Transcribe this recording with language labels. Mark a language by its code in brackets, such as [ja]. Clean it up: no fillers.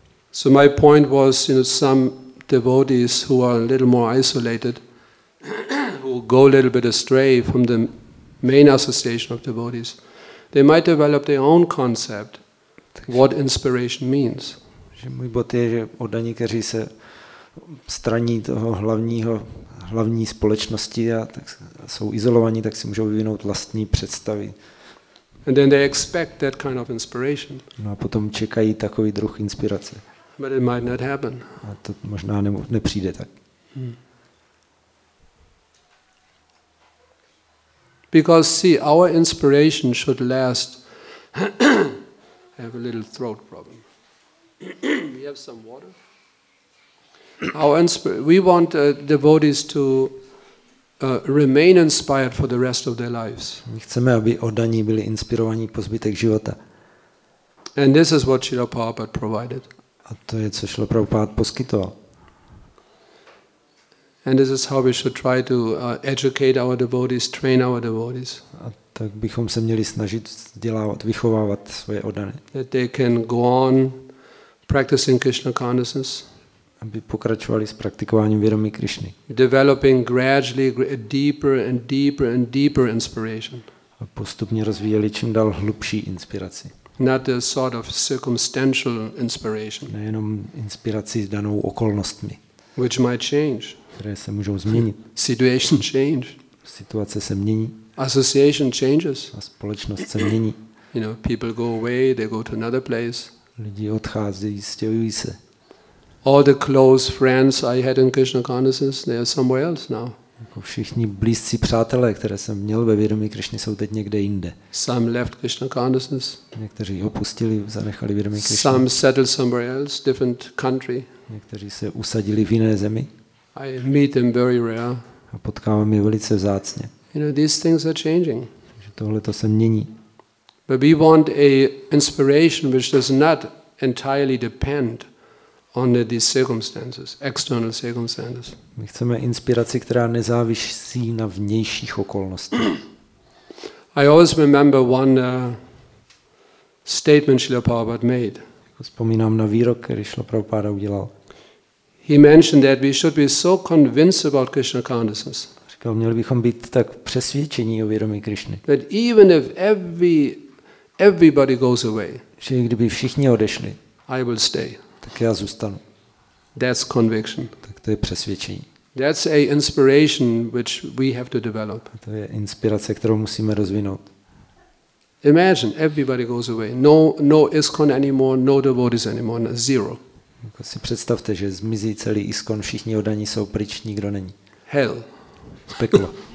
[en] So my point was, you know, some devotees who are a little more isolated, who go a little bit astray from the main association of devotees, they might develop their own concept what inspiration means. [cs] Že můj bod je, že oddaní, kteří se straní toho hlavní společnosti a tak jsou izolovaní, tak si můžou vyvinout vlastní představy. [en] And then they expect that kind of inspiration. [cs] No a potom čekají takový druh inspirace. [en] But it might not happen. [cs] A to možná nepřijde tak. [en] Because see, our inspiration should last. I have a little throat problem. We have some water. We want devotees to remain inspired for the rest of their lives. [cs] My chceme, aby oddaní byli inspirovaní po zbytek života. [en] And this is what Srila Prabhupada provided. [cs] A to je, co Srila Prabhupada poskytoval. [en] And this is how we should try to educate our devotees, train our devotees. [cs] A tak bychom se měli snažit vzdělávat, vychovávat svoje oddané. [en] That they can go on practicing Krishna consciousness. [cs] Aby pokračovali s praktikováním vědomí Krišny. [en] Developing gradually a deeper and deeper and deeper inspiration. [cs] A postupně rozvíjeli čím dál hlubší inspiraci. [en] Not a sort of circumstantial inspiration. [cs] Nejenom inspiraci s danou okolnostmi. [en] Which might change. [cs] Které se můžou změnit. [en] Situation change. [cs] Situace se mění. [en] Association changes. [cs] A společnost se mění. [en] You know, people go away, they go to another place. [cs] Lidi odcházejí, stěhují se. [en] All the close friends I had in Krishna consciousness, they are somewhere else now. [cs] Všichni blízcí přátelé, které jsem měl ve vědomí Krišny, jsou teď někde jinde. [en] Some left Krishna consciousness. [cs] Někteří opustili, zanechali vědomí Krišny. [en] Some settled somewhere else, different country. [cs] Někteří se usadili v jiné zemi. [en] I meet them very rare. [cs] A potkávám je velice vzácně. [en] You know, these things are changing. [cs] Tohle to se mění. [en] But we want a inspiration which does not entirely depend on the circumstances, external circumstances. [cs] My chceme inspiraci, která nezávisí na vnějších okolnostech. [en] I always remember one statement Srila Prabhupada made. [cs] Vzpomínám na výrok, který Srila Prabhupada udělal. [en] He mentioned that we should be so convinced about Krishna consciousness. [cs] Říkal, měli bychom být tak přesvědčení o vědomí Krišny. [en] That even if everybody goes away, [cs] že kdyby všichni odešli, [en] I will stay. [cs] Tak já zůstanu. [en] That's conviction. [cs] Tak to je přesvědčení. [en] That's a inspiration which we have to develop. [cs] To je inspirace, kterou musíme rozvinout. [en] Imagine everybody goes away. No ISKCON anymore, no devotees anymore, zero. [cs] Jako si představte, že zmizí celý ISKCON, všichni oddaní jsou pryč, nikdo není. [en] Hell. [cs] Peklo.